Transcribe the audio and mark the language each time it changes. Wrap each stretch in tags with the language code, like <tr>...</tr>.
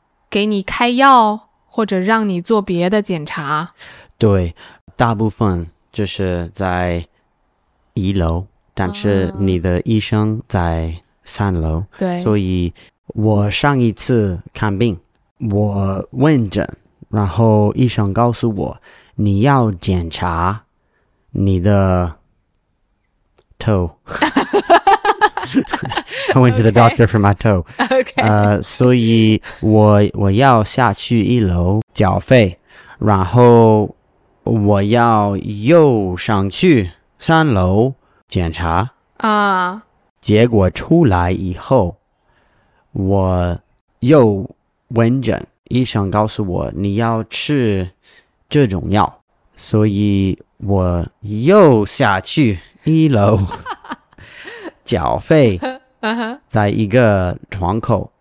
<zh>给你开药或者让你做别的检查。对，大部分就是在一楼，但是你的医生在三楼。对，所以我上一次看病，我问诊，然后医生告诉我，你要检查你的</zh> <en>toe。I went to the doctor for my toe. Okay.</en> <zh>所以我要下去一楼缴费，然后我要又上去三楼检查。啊。结果出来以后我又问诊，医生告诉我你要吃这种药，所以我又下去一楼缴费在一个窗口、</zh>